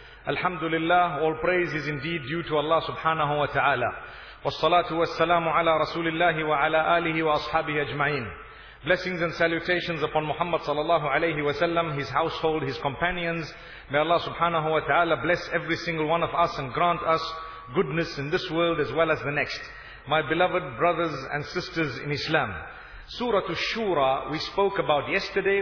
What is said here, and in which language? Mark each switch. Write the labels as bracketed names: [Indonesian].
[English] Alhamdulillah, all praise is indeed due to Allah subhanahu wa ta'ala. [Arabic] والصلاة والسلام على رسول الله وعلى آله وأصحابه أجمعين. [English] Blessings and salutations upon Muhammad sallallahu alayhi wa sallam, his household, his companions. May Allah subhanahu wa ta'ala bless every single one of us and grant us goodness in this world as well as the next. My beloved brothers and sisters in Islam, Surah Ash-Shura we spoke about yesterday.